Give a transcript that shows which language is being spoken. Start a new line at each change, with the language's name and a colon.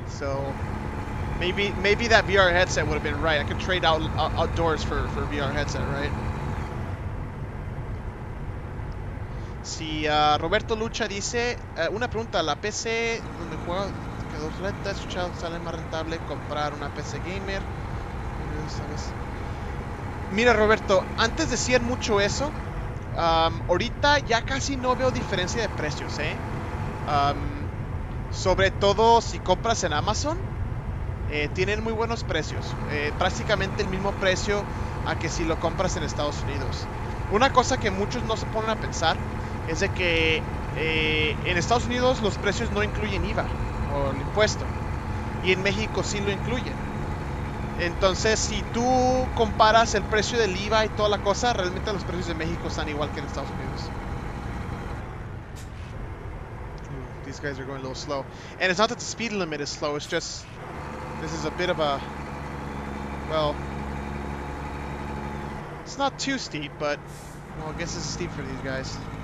English: So maybe that VR headset would have been right. I could trade outdoors for a VR headset, right?
Spanish: Si Roberto Lucha dice, una pregunta, la PC donde juega que dos letras, escuchado, sale más rentable comprar una PC gamer. ¿Sabes? Mira, Roberto, antes decían mucho eso. Ahorita ya casi no veo diferencia de precios, ¿eh? Sobre todo si compras en Amazon. Tienen muy buenos precios, prácticamente el mismo precio a que si lo compras en Estados Unidos. Una cosa que muchos no se ponen a pensar es de que en Estados Unidos los precios no incluyen IVA o el impuesto, y en México sí lo incluyen. Entonces, si tú comparas el precio del IVA y toda la cosa, realmente los precios de México están igual que en Estados Unidos.
English: These guys are going a little slow. And it's not that the speed limit is slow, it's just this is a bit of a, well, it's not too steep, but well, I guess it's steep for these guys.